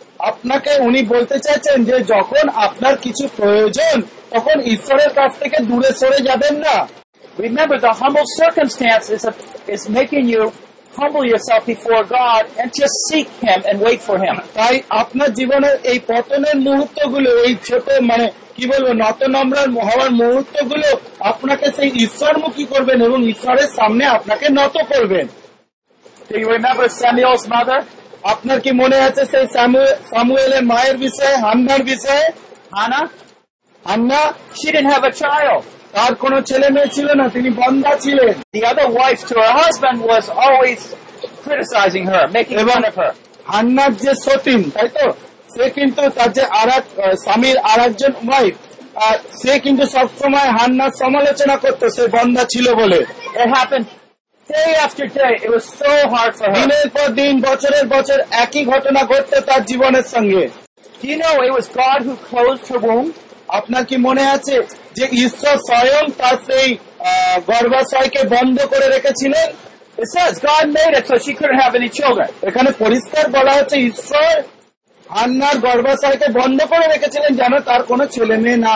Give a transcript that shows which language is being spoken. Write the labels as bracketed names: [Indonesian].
[Bangla] আপনাকে উনি বলতে চাইছেন যে যখন আপনার কিছু প্রয়োজন তখন ঈশ্বরের কাছ থেকে দূরে সরে যাবেন না। [English] Remember, the humble circumstance is making you humble yourself before God and just seek him and wait for him. [Bangla] তাই আপনার জীবনের এই পতনের মুহূর্তগুলো এই ছোট মানে কি বলবো নতনম্রার মহাবার মুহূর্তগুলো আপনাকে সেই ঈশ্বরমুখী করবেন এবং ঈশ্বরের সামনে আপনাকে নত করবেন। [English] Do you remember Samuel's mother? [Bangla] আপনার কি মনে আছে সেই সামুয়েলের মায়ের বিষয়ে, হান্নার বিষয়ে? [English] Hannah, she didn't have a child. [Bangla] তার কোন ছেলে মেয়ে ছিল না, তিনি বন্ধা ছিলেন। [English] The other wife to her husband was always criticizing her, making fun of her. [Bangla] হান্নার যে সতিন, তাই তো? সে কিন্তু তার যে স্বামীর আরেকজন ওয়াইফ, আর সে কিন্তু সবসময় হান্নার সমালোচনা করতো সে বন্ধা ছিল বলে। [English] It happened day after day. It was so hard for her. [Bangla] দিনের পর দিন, বছরের বছর একই ঘটনা ঘটতো তার জীবনের সঙ্গে। [English] Do you know it was God who closed her womb? [Bangla] আপনার কি মনে আছে যে ঈশ্বর স্বয়ং তার সেই গর্ভাশয়কে বন্ধ করে রেখেছিলেন. [English] It says God made it so she couldn't have any children. [Bangla] এখানে পরিষ্কার বলা হচ্ছে ঈশ্বর হান্নার গর্ভাশয়কে বন্ধ করে রেখেছিলেন যেন তার কোন ছেলে মেয়ে না